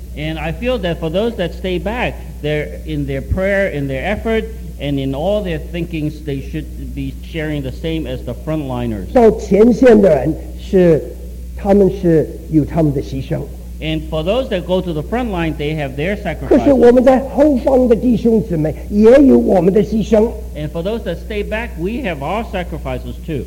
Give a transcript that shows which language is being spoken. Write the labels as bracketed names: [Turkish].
[English] And I feel that for those that stay back, they're in their prayer, in their effort, and in all their thinkings, they should be sharing the same as the frontliners. [Chinese] 到前线的人是，他们是有他们的牺牲。 [English] And for those that go to the front line, they have their sacrifice. [Chinese] 可是我们在后方的弟兄姊妹也有我们的牺牲。 [English] And for those that stay back, we have our sacrifices too.